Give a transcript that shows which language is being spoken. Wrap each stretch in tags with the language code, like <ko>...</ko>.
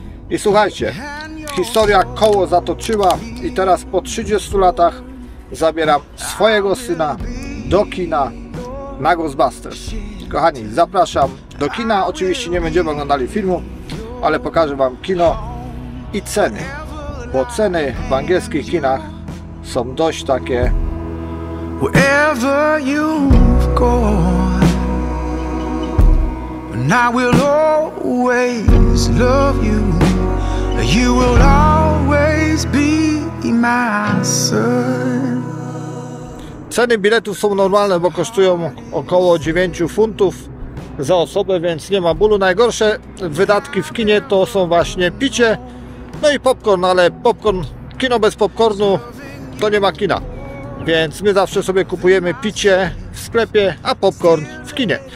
<pl>I słuchajcie, historia koło zatoczyła i teraz po 30 latach zabieram swojego syna do kina na Ghostbusters. Kochani, zapraszam do kina. Oczywiście nie będziemy oglądali filmu, ale pokażę wam kino i ceny. Bo ceny w angielskich kinach są dość takie...</pl> <en>Wherever you've gone, and I will always love you. You will always be my son.</en> <pl>Ceny biletów są normalne, bo kosztują około 9 funtów za osobę, więc nie ma bólu. Najgorsze wydatki w kinie to są właśnie picie, no i popcorn, ale popcorn, kino bez popcornu to nie ma kina. Więc my zawsze sobie kupujemy picie w sklepie, a popcorn w kinie.</pl>